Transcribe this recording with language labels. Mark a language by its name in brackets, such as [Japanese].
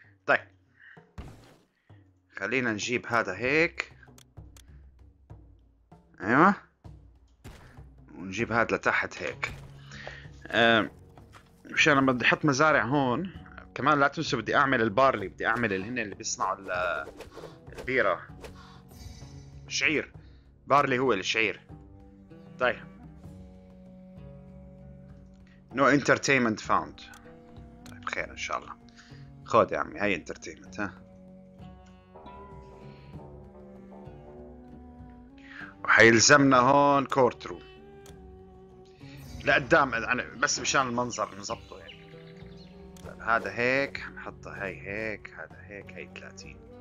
[Arabic] طيب خلينا نجيب هذا هيك، ايوه، ونجيب هذا لتحت هيك مشان انا بدي احط مزارع هون. كمان لا تنسوا بدي اعمل البارلي، بدي اعمل اللي هن اللي بيصنعوا البيره، شعير بارلي هو الشعير. [English] طيب No entertainment found. [Arabic] طيب خير ان شاء الله. خد يا عمي هاي انترتينمنت. ها وحيلزمنا هون كورت روم لقدام يعني، بس مشان المنظر نظبطه يعني. طيب هذا هيك نحطه، هاي هيك، هذا هيك، هاي 30.